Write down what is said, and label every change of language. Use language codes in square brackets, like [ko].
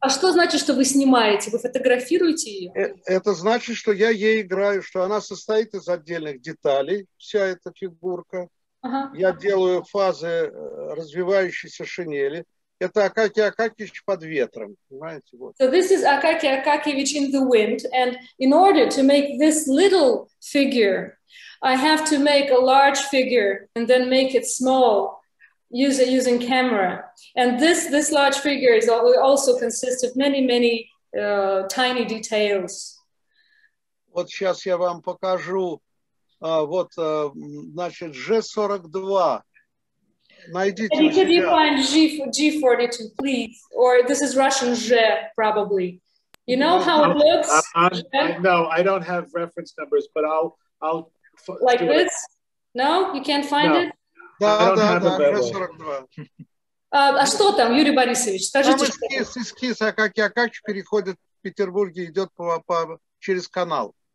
[ru] А что значит, что вы снимаете, вы фотографируете ее? Это значит, что я ей играю, что она состоит из отдельных деталей, вся эта фигурка. Uh-huh. Я делаю фазы развивающейся шинели. Это Акакий Акакиевич под ветром, понимаете? Вот. [en] So this is Акакий Акакиевич in the wind, and in order to make this little figure, I have to make a large figure and then make it small using camera. And this large figure is also consists of many, many tiny details. Вот сейчас я вам покажу. Вот, значит, G42. Найдите. Can you find G42, please? Or this is Russian G, probably. You know how it looks? No, I don't have reference numbers, but I'll. Like this? No, you can't find it. [ru] Да, G42. А что там, Юрий Борисович? Скажите. Эскиз, как переходит в Петербурге, идет по через канал.